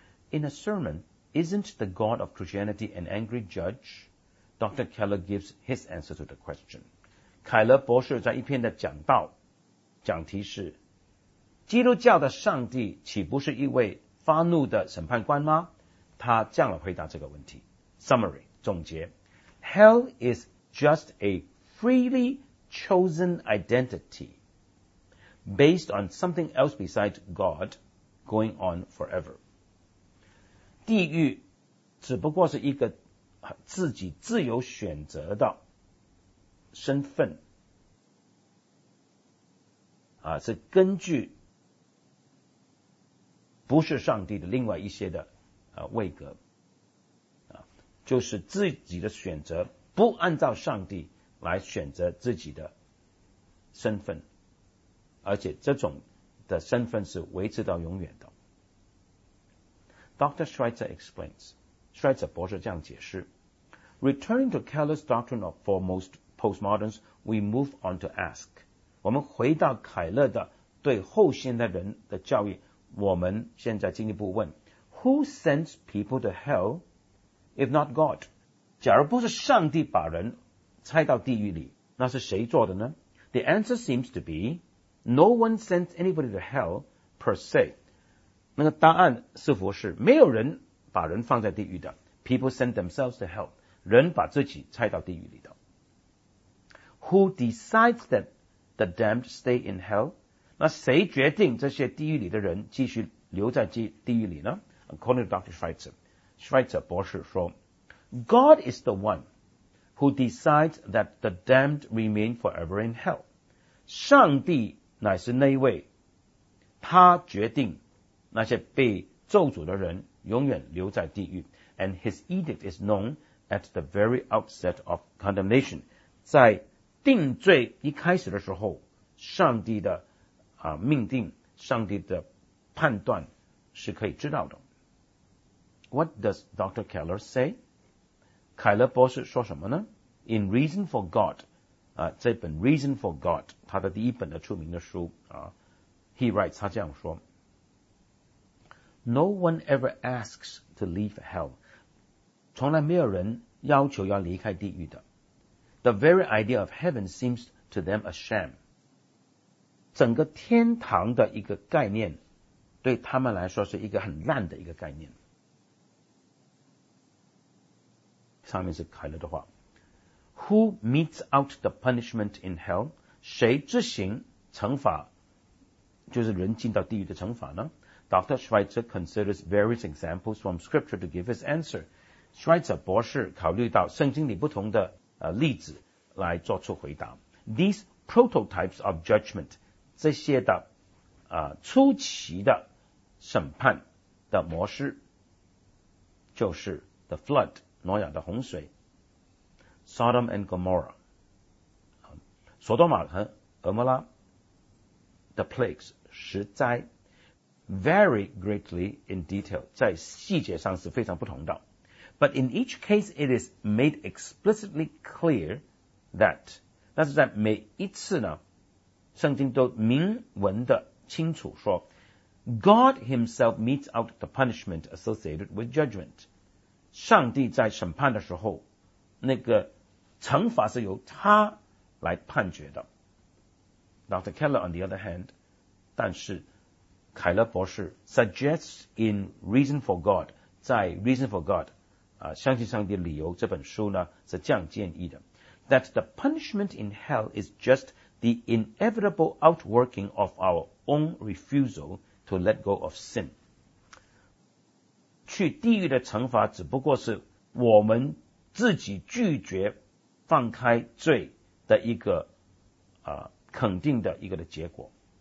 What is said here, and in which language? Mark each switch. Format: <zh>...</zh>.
<en>In a sermon, isn't the God of Christianity an angry judge? Dr. Keller gives his answer to the question.</en> <zh>凯勒博士在一篇的讲道讲题是基督教的上帝岂不是一位发怒的审判官吗？他这样回答这个问题。</zh> <en>Summary,</en> <zh>总结</zh> <en>Hell is just a freely chosen identity based on something else besides God going on forever.</en> <zh>地狱只不过是一个自己自由选择的身份、是根据不是上帝的另外一些的、位格、就是自己的选择，不按照上帝来选择自己的身份，而且这种的身份是维持到永远的。</zh> <en>Dr. Schweitzer explains, Schweitzer</en> <zh>博士这样解释。</zh> <en>Returning to Keller's doctrine of foremost postmoderns, we move on to ask.</en> <zh>我们回到凯勒的对后现代人的教育，我们现在进一步问</zh> <en>Who sends people to hell if not God?</en> <zh>假如不是上帝把人差到地狱里，那是谁做的呢？</zh> <en>The answer seems to be, no one sends anybody to hell per se.</en> <zh>那个答案似乎是没有人把人放在地狱的。</zh> <en>People send themselves to hell.</en> <zh>人把自己拆到地狱里头。</zh> <en>Who decides that the damned stay in hell?</en> <zh>那谁决定这些地狱里的人继续留在地狱里呢？</zh> <en>According to Dr. Schweitzer, Schweitzer</en> <zh>博士说，</zh> <en>God is the one who decides that the damned remain forever in hell.</en> <zh>上帝乃是那一位，他决定那些被咒诅的人永远留在地狱。</zh> <en>And his edict is known at the very outset of condemnation.</en> <zh>在定罪一开始的时候，上帝的命定，上帝的判断是可以知道的。</zh> <en>What does Dr. Keller say?</en> <zh>凯勒博士说什么呢？</zh> <en>In Reason for God,</en> <zh>这本</zh> <en>Reason for God,</en> <zh>他的第一本的出名的书</zh> <en>he writes,</en> <zh>他这样说，</zh> <en>No one ever asks to leave hell.</en> <zh>从来没有人要求要离开地狱的。</zh> <en>The very idea of heaven seems to them a sham.</en> <zh>整个天堂的一个概念对他们来说是一个很烂的一个概念。上面是凯勒的话。</zh> <en>Who meets out the punishment in hell?</en> <zh>谁执行惩罚，就是人进到地狱的惩罚呢？</zh> <en>Dr. Schweitzer considers various examples from scripture to give his answer.</en> <zh>Schweitzer 博士考虑到圣经里不同的例子来做出回答。</zh> <en>These prototypes of judgment,</en> <zh>这些的初期的审判的模式，就是</zh> <en>the flood,</en> <zh>挪亚的洪水，</zh> <en>Sodom and Gomorrah,</en> <zh>索多玛和俄摩拉，</zh> <en>the plagues,</en> <zh>实灾，</zh> <en>vary greatly in detail,</en> <zh>在细节上是非常不同的。</zh> <en>But in each case, it is made explicitly clear that,</en> <zh>但是在每一次呢，圣经都明文的清楚说，</zh> <en>God himself meets out the punishment associated with judgment.</en> <zh>上帝在审判的时候，那个惩罚是由他来判决的。</zh> <en>Dr. Keller, on the other hand,</en> <zh>但是凯勒博士</zh> <en>suggests in Reason for God, 在 Reason for God,</en> <zh>相信上帝理由这本书呢是这样建议的，</zh> <en>That the punishment in hell is just the inevitable outworking of our own refusal to let go of sin.</en> <zh>去地狱的惩罚只不过是我们自己拒绝放开罪的一个肯定的一个的结果。</zh>